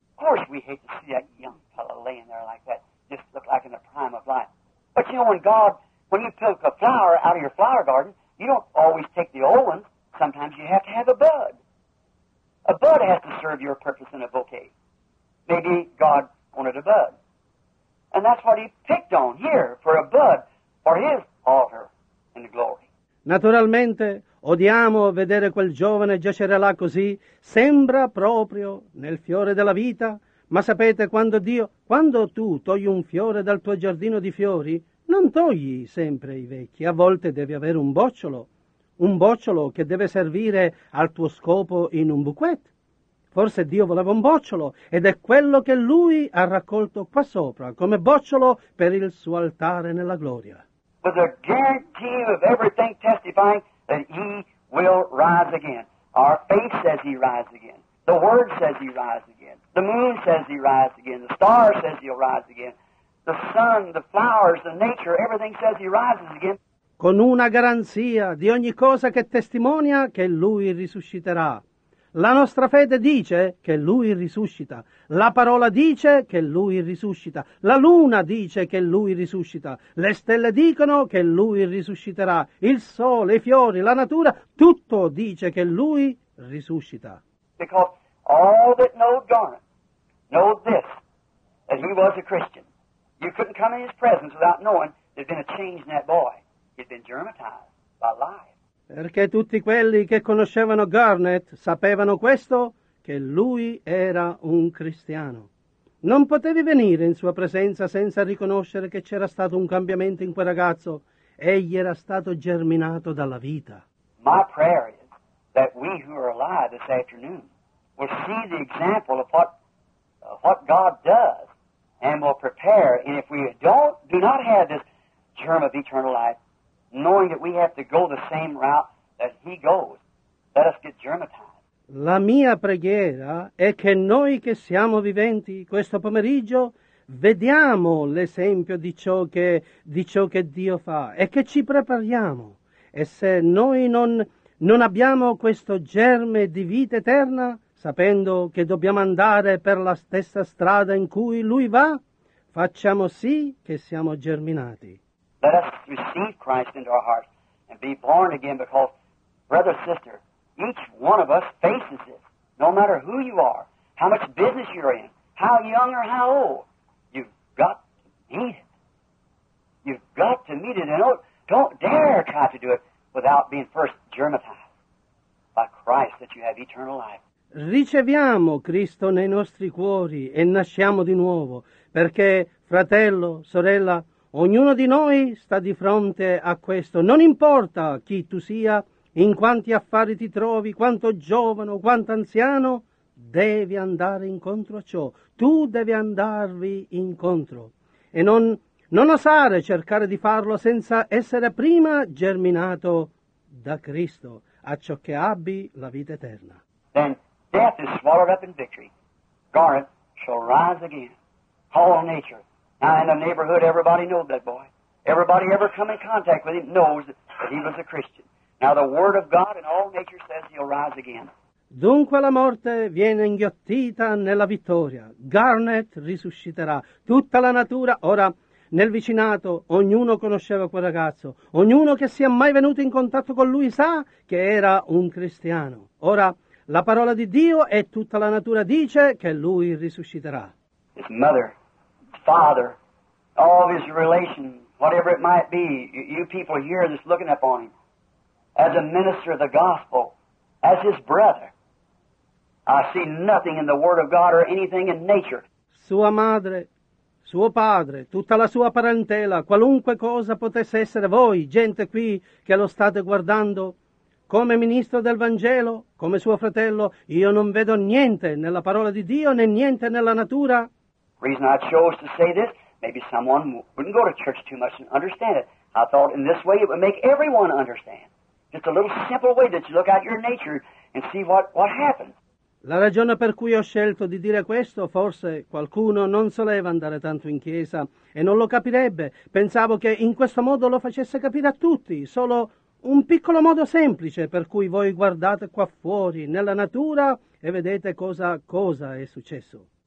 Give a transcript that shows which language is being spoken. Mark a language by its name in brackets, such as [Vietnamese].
[English] Of course we hate to see that young fellow laying there like that, just look like in the prime of life. But you know, when God, when you pick a flower out of your flower garden, you don't always take the old ones. Sometimes you have to have a bud. A bud has to serve your purpose in a bouquet. Maybe God wanted a bud. And that's what he picked on here, for a bud, for his altar in the glory. [Italian] Naturalmente, odiamo vedere quel giovane giacere là così, sembra proprio nel fiore della vita, ma sapete, quando tu togli un fiore dal tuo giardino di fiori, non togli sempre i vecchi, a volte devi avere un bocciolo che deve servire al tuo scopo in un bouquet. Forse Dio voleva un bocciolo, ed è quello che lui ha raccolto qua sopra, come bocciolo per il suo altare nella gloria. [English] With a guarantee of everything testifying that he will rise again. Our faith says he rise again. The word says he rise again. The moon says he rise again. The star says he'll rise again. The sun, the flowers, the nature, everything says he rises again. [Italian] Con una garanzia di ogni cosa che testimonia che lui risusciterà. La nostra fede dice che lui risuscita, la parola dice che lui risuscita, la luna dice che lui risuscita, le stelle dicono che lui risusciterà, il sole, i fiori, la natura, tutto dice che lui risuscita. [English] Because all that know Garnet know this, that he was a Christian. You couldn't come in his presence without knowing there'd been a change in that boy. He'd been germatized by life. [Italian] Perché tutti quelli che conoscevano Garnet sapevano questo, che lui era un cristiano. Non potevi venire in sua presenza senza riconoscere che c'era stato un cambiamento in quel ragazzo. Egli era stato germinato dalla vita. [English] My prayer is that we who are alive this afternoon will see the example of what God does and will prepare. And if we do not have this germ of eternal life, knowing that we have to go the same route that he goes, let us get germatized. [Italian] La mia preghiera è che noi che siamo viventi questo pomeriggio vediamo l'esempio di ciò che Dio fa e che ci prepariamo. E se noi non abbiamo questo germe di vita eterna, sapendo che dobbiamo andare per la stessa strada in cui lui va, facciamo sì che siamo germinati. [English] Let us receive Christ into our hearts and be born again, because, brother, sister, each one of us faces this, no matter who you are, how much business you're in, how young or how old, you've got to meet it. You've got to meet it, and don't dare try to do it without being first germatized by Christ that you have eternal life. [Italian] Riceviamo Cristo nei nostri cuori e nasciamo di nuovo, perché, fratello, sorella, ognuno di noi sta di fronte a questo. Non importa chi tu sia, in quanti affari ti trovi, quanto giovane o quanto anziano, devi andare incontro a ciò. Tu devi andarvi incontro. E non osare cercare di farlo senza essere prima germinato da Cristo, a ciò che abbi la vita eterna. [English] Then death is swallowed up in victory. Garnet shall rise again. All nature. Now in the neighborhood, everybody knows that boy. Everybody ever come in contact with him knows that he was a Christian. Now the word of God and all nature says he'll rise again. [Italian] Dunque la morte viene inghiottita nella vittoria. Garnet risusciterà. Tutta la natura, ora nel vicinato, ognuno conosceva quel ragazzo. Ognuno che sia mai venuto in contatto con lui sa che era un cristiano. Ora la parola di Dio e tutta la natura dice che lui risusciterà. [English] His mother, father, all of his relations, whatever it might be, you people here just looking upon him, as a minister of the gospel, as his brother, I see nothing in the word of God or anything in nature. [Italian] Sua madre, suo padre, tutta la sua parentela, qualunque cosa potesse essere voi, gente qui che lo state guardando, come ministro del Vangelo, come suo fratello, io non vedo niente nella parola di Dio né niente nella natura. [English] Reason I chose to say this, maybe someone wouldn't go to church too much and understand it. I thought in this way it would make everyone understand. Just a little simple way that you look at your nature and see what happens. [Italian] La ragione per cui ho scelto di dire questo, forse qualcuno non soleva andare tanto in chiesa e non lo capirebbe. Pensavo che in questo modo lo facesse capire a tutti, solo un piccolo modo semplice per cui voi guardate qua fuori, nella natura, e vedete cosa è successo.